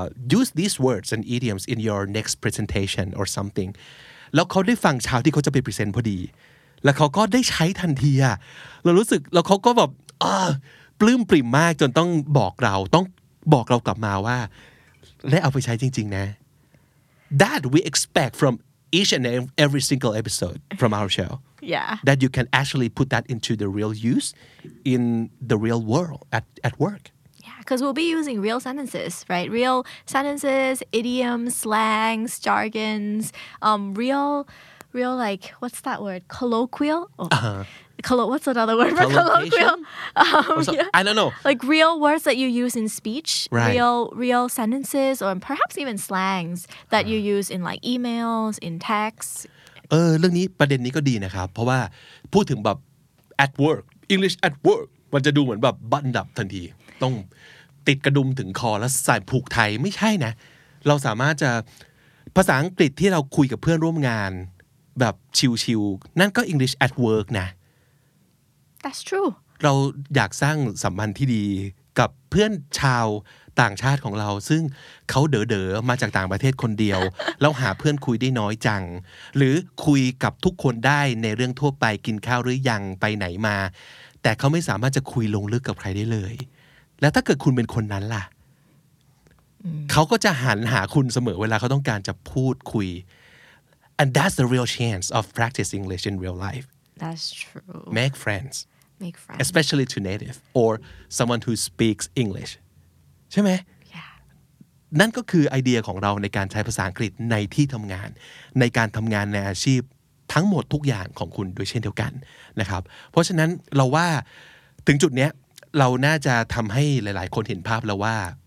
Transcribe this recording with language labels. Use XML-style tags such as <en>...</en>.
<en>use these words and idioms in your next presentation or something</en> <th>แล้วเขาได้ฟังเช้าที่เขาจะไปพรีเซนต์พอดีแล้วเขาก็ได้ใช้ทันทีอะเรารู้สึกแล้วเขาก็แบบปลื้มปริ่มมากจนต้องบอกเราต้องบอกเรากลับมาว่าและเอาไปใช้จริงๆนะ</th> <en>That we expect from each and every single episode from our show Yeah That you can actually put that into the real use in the real world at work Yeah, because we'll be using real sentences, right? Real sentences, idioms, slangs, jargons, real like, what's that word? Colloquial? What's another word for colloquial? Yeah. I don't know. Like real words that you use in speech, right. real sentences, or perhaps even slangs that you use in like emails, in texts.</en> <th>เรื่องนี้ประเด็นนี้ก็ดีนะครับเพราะว่าพูดถึงแบบ</th> <en>at work, English at work,</en> <th>มันจะดูเหมือนแบบ buttoned up ทันทีต้องติดกระดุมถึงคอแล้วใส่ผูกไทยไม่ใช่นะเราสามารถจะภาษาอังกฤษที่เราคุยกับเพื่อนร่วมงานแบบชิวๆนั่นก็ English at work นะ</th> <en>That's true.</en> <th>เราอยากสร้างสัมพันธ์ที่ดีกับเพื่อนชาวต่างชาติของเราซึ่งเขาเด๋อๆมาจากต่างประเทศคนเดียวแล้วหาเพื่อนคุยได้น้อยจังหรือคุยกับทุกคนได้ในเรื่องทั่วไปกินข้าวหรือยังไปไหนมาแต่เขาไม่สามารถจะคุยลงลึกกับใครได้เลยแล้วถ้าเกิดคุณเป็นคนนั้นล่ะ เขาก็จะหันหาคุณเสมอเวลาเขาต้องการจะพูดคุย</th> <en>And that's the real chance of practice English in real life. That's true. Make friends Make friends. Especially to native or someone who speaks English.</en> <th>ใช่ไหม</th> <en>Yeah.</en> <th>นั่นก็คือไอเดียของเราในการใช้ภาษาอังกฤษในที่ทำงานในการทำงานในอาชีพทั้งหมดทุกอย่างของคุณด้วยเช่นเดียวกันนะครับเพราะฉะนั้นเราว่าถึงจุดเนี้ยเราน่าจะทำให้หลายๆคนเห็นภาพแล้วว่า</th>